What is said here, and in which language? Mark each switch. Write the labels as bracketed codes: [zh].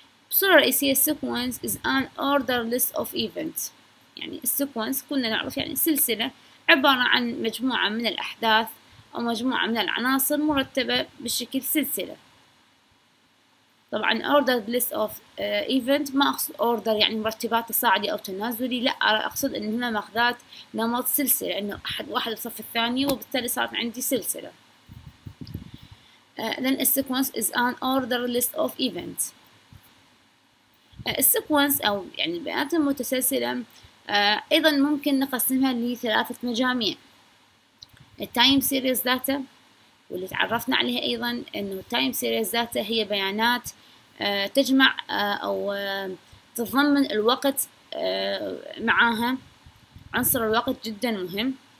[ar] بصورة رئيسية [en] sequence is an order list of events، [ar] يعني sequence كنا نعرف يعني سلسلة، عبارة عن مجموعة من الأحداث أو مجموعة من العناصر مرتبة بشكل سلسلة. طبعا [en] order list of events [ar] ما أقصد order يعني مرتبات تصاعدي أو تنازلي، لا أقصد أن هنا مخذات نمط سلسلة، أنه أحد واحد بصف الثاني وبالتالي صارت عندي سلسلة. [en] Then sequence is an order list of events. [ar] السيكونس أو يعني البيانات المتسلسلة أيضا ممكن نقسمها لثلاثة مجاميع، التايم سيريز داتا واللي تعرفنا عليها أيضا، إنه التايم سيريز داتا هي بيانات تجمع أو تتضمن الوقت معاها، عنصر الوقت جدا مهم.